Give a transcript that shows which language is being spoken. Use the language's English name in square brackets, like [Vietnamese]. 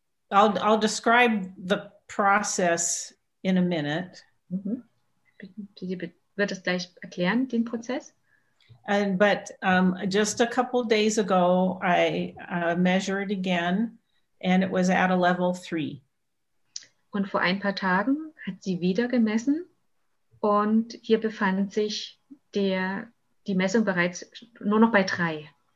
[English] I'll describe the process in a minute. [German] Sie wird es gleich erklären, den Prozess. [English] But just a couple of days ago, I measured again, and it was at a level 3. [German] Und vor ein paar Tagen hat sie wieder gemessen, und hier befand sich die Messung bereits nur noch bei 3.